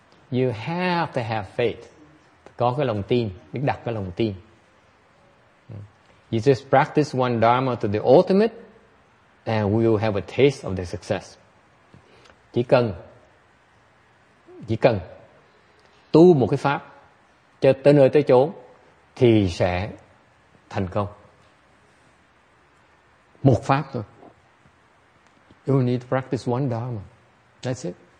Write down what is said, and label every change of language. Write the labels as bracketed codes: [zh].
[en] You have to have faith. [vi] Có cái lòng tin, biết đặt cái lòng tin. [en] You just practice one dharma to the ultimate and we will have a taste of the success. [vi] Chỉ cần tu một cái pháp cho tới nơi tới chốn thì sẽ thành công. Một pháp thôi. [en] You need to practice one dharma. That's it.